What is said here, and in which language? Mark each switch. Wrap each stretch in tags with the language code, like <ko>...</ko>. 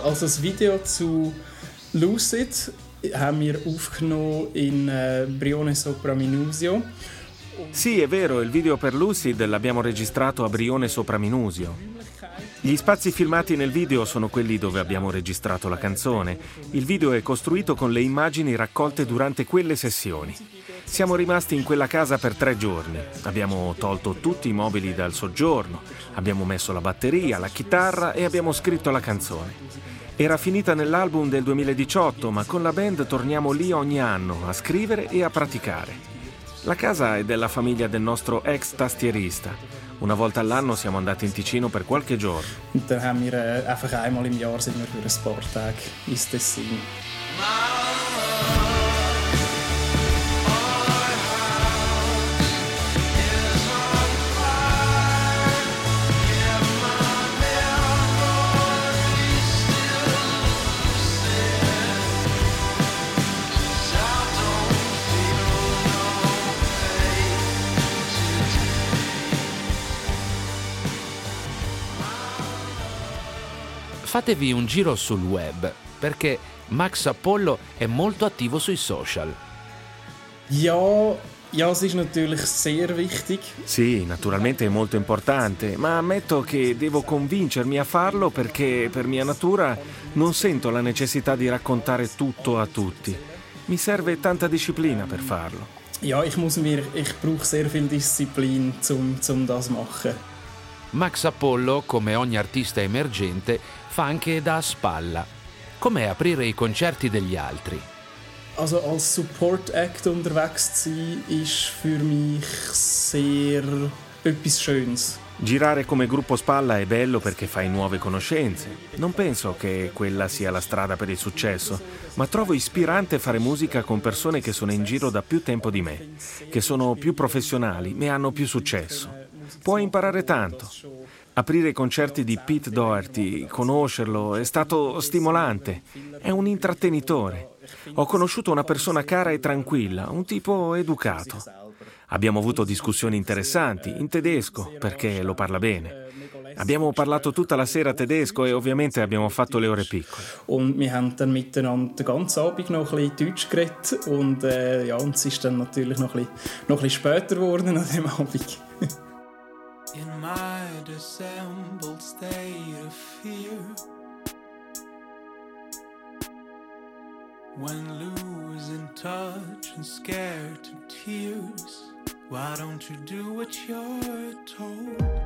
<de>Also das Video zu Lucid haben wir aufgenommen in Brione sopra Minusio.</de> <it>Sì, è vero, il video per Lucid l'abbiamo registrato a Brione sopra Minusio. Gli spazi filmati nel video sono quelli dove abbiamo registrato la canzone. Il video è costruito con le immagini raccolte durante quelle sessioni. Siamo rimasti in quella casa per 3 giorni. Abbiamo tolto tutti i mobili dal soggiorno, abbiamo messo la batteria, la chitarra e abbiamo scritto la canzone. Era finita nell'album del 2018, ma con la band torniamo lì ogni anno a scrivere e a praticare. La casa è della famiglia del nostro ex tastierista. Una volta all'anno siamo andati in Ticino per qualche giorno.</it> <de>Dann haben wir einfach einmal im Jahr sind wir für ein paar Tage in Tessin.</de> <it>Fatevi un giro sul web, perché Max Apollo è molto attivo sui social.</it> <de>Ja, es ist natürlich sehr wichtig.</de> <it>Sì, naturalmente è molto importante, ma ammetto che devo convincermi a farlo perché, per mia natura, non sento la necessità di raccontare tutto a tutti. Mi serve tanta disciplina per farlo.</it> <de>Ja, ich brauche sehr viel Disziplin, um das machen.</de> <it>Max Apollo, come ogni artista emergente, fa anche da spalla. Com'è aprire i concerti degli altri?</it> <de>Also als Support Act unterwegs zu sein ist für mich sehr etwas Schönes.</de> <it>Girare come gruppo spalla è bello perché fai nuove conoscenze. Non penso che quella sia la strada per il successo, ma trovo ispirante fare musica con persone che sono in giro da più tempo di me, che sono più professionali e hanno più successo. Puoi imparare tanto. Aprire i concerti di Pete Doherty, conoscerlo, è stato stimolante. È un intrattenitore. Ho conosciuto una persona cara e tranquilla, un tipo educato. Abbiamo avuto discussioni interessanti, in tedesco, perché lo parla bene. Abbiamo parlato tutta la sera tedesco e ovviamente abbiamo fatto le ore piccole.</it> <de>Und wir haben dann miteinander ganz abig noch ein bisschen Deutsch geredet und ja, und es ist dann natürlich noch ein bisschen später geworden an dem Abig.</de> <en>In my dissembled state of fear, when losing touch and scared to tears, why don't you do what you're told?</en>